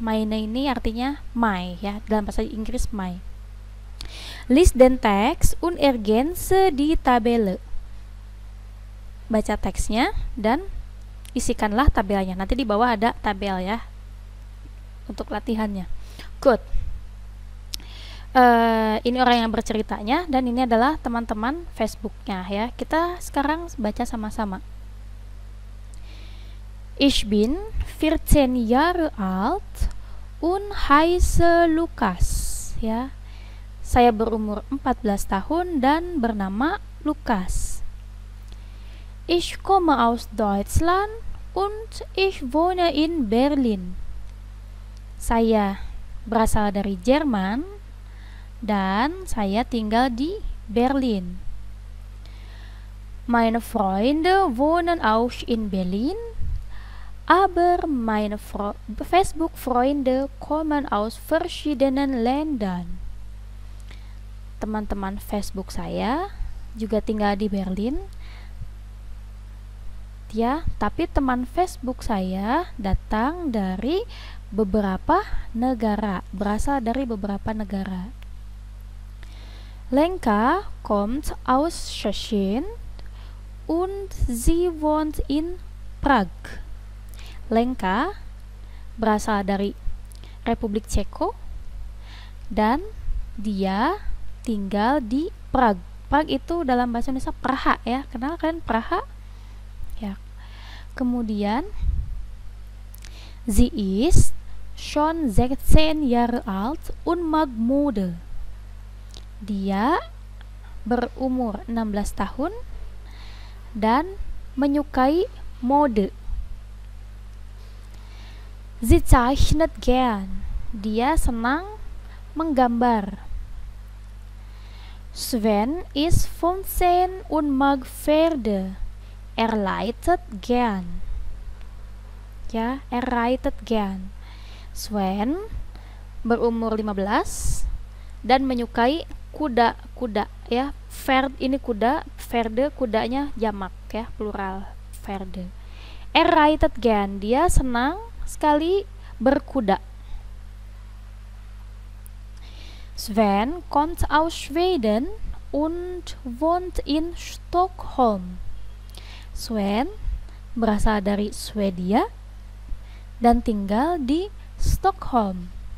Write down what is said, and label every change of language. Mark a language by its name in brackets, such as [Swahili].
[Indonesian] Meine ini artinya my ya, dalam bahasa Inggris my. [German] List den Text und ergänze die Tabelle. [Indonesian] Baca teksnya dan isikanlah tabelnya. Nanti di bawah ada tabel ya untuk latihannya. Good. Ini orang yang berceritanya dan ini adalah teman-teman Facebooknya ya. Kita sekarang baca sama-sama. [German] Ich bin 14 Jahre alt und heiße Lukas. [Indonesian] Ya, saya berumur 14 tahun dan bernama Lukas. [German] Ich komme aus Deutschland und ich wohne in Berlin. [Indonesian] Saya berasal dari Jerman dan saya tinggal di Berlin. [German] Meine Freunde wohnen auch in Berlin. Aber meine Facebook-Freunde kommen aus verschiedenen Ländern. [Indonesian] Teman-teman Facebook saya juga tinggal di Berlin. Ya, tapi teman Facebook saya datang dari beberapa negara, berasal dari beberapa negara. [German] Lenka kommt aus Tschechien und sie wohnt in Prag. [Indonesian] Lenka berasal dari Republik Ceko dan dia tinggal di Prag. Prag itu dalam bahasa Indonesia Praha ya. Kenal kan Praha? Ya. [German] Kemudian sie ist schon 16 Jahre alt und mag Mode. [Indonesian] Dia berumur 16 tahun dan menyukai mode. [German] Sie zeichnet gern. [Indonesian] Dia senang menggambar. [German] Sven ist 15 und mag Pferde. Er reitet gern. Ja, er reitet gern. [Indonesian] Sven berumur 15 dan menyukai kuda-kuda ya. Pferd ini kuda, Pferde kudanya jamak ya, plural Pferde. [German] Er reitet gern. [Indonesian] Dia senang sekali berkuda. [German] Sven kommt aus Schweden und wohnt in Stockholm. [Indonesian] Sven berasal dari Swedia dan tinggal di Stockholm.